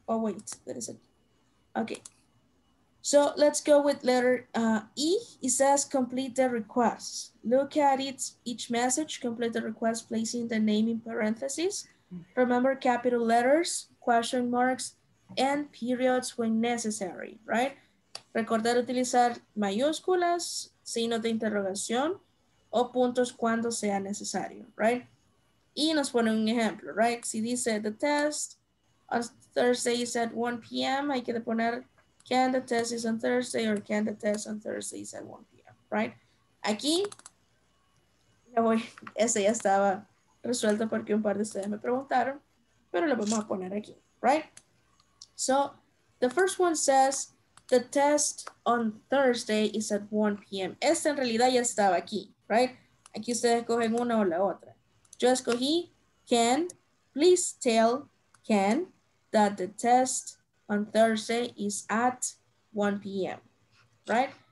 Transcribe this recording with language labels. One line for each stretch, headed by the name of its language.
English: Oh, wait, that is it. Okay. So let's go with letter E. It says complete the requests. Look at it, each message, complete the request, placing the name in parentheses. Remember capital letters, question marks, and periods when necessary, right?
Spanish: Recordar utilizar mayúsculas, signos de interrogación, o puntos cuando sea necesario, right? Y nos pone un ejemplo, right? Si dice
English: the test on Thursday is at 1 p.m.,
Spanish: hay que poner
English: can the test is on Thursday or can the test on Thursday is at 1 p.m., right?
Spanish: Aquí, ya voy, ese ya estaba resuelto porque un par de ustedes me preguntaron, pero lo vamos a poner aquí, right?
English: So, the first one says the test on Thursday is at 1 p.m.
Spanish: Este en realidad ya estaba aquí, right? Aquí ustedes cogen una o la otra. Yo escogí,
English: can, please tell Ken that the test on Thursday is at 1 p.m., right?